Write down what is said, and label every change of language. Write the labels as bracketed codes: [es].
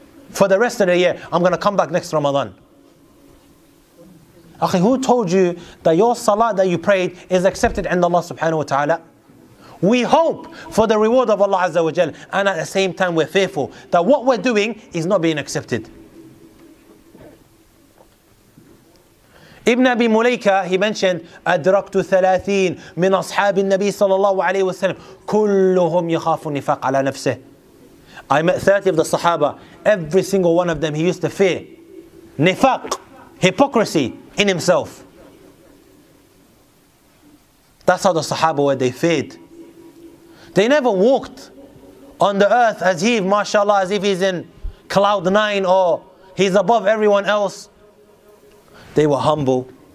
[en] For the rest of the year, I'm going to come back next Ramadan. Akhi, who told you that your salah that you prayed is accepted in Allah subhanahu wa ta'ala? We hope for the reward of Allah azza wa jal, and at the same time we're fearful that what we're doing is not being accepted. [ar] Ibn Abi Mulaika, [en] he mentioned, [ar] أَدْرَكْتُ ثَلَاثِينَ مِنْ أَصْحَابِ النَّبِيِّ صَلَى اللَّهُ عَلَيْهِ وَسَلَمْ كُلُّهُمْ يَخَافُ النِّفَاقَ عَلَى نَفْسِهِ. [en] I met 30 of the Sahaba, every single one of them, he used to fear nifaq, hypocrisy, in himself. That's how the Sahaba were, they feared. They never walked on the earth as if, mashallah, as if he's in cloud nine or he's above everyone else. They were humble.